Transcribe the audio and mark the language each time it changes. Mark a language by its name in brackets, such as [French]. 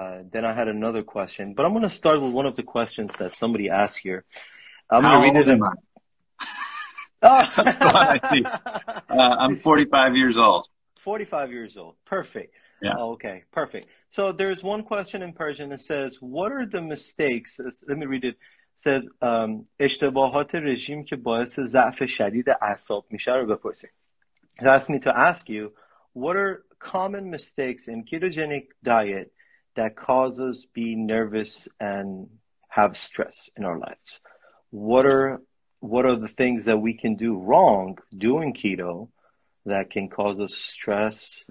[English] Then I had another question, but I'm going to start with one of the questions that somebody asked here. I'm going to read it. I'm 45 years old. 45 years old. Perfect. Yeah. Okay. Perfect. So there's one question in Persian that says, what are the mistakes? Let me read it. Said [Persian] اشتباهات رژیم که باعث ضعف شدید اعصاب میشه رو بپرسید. [English] He asked me to ask you, what are common mistakes in ketogenic diet that causes be nervous and have stress in our lives? What are the things that we can do wrong doing keto that can cause us stress?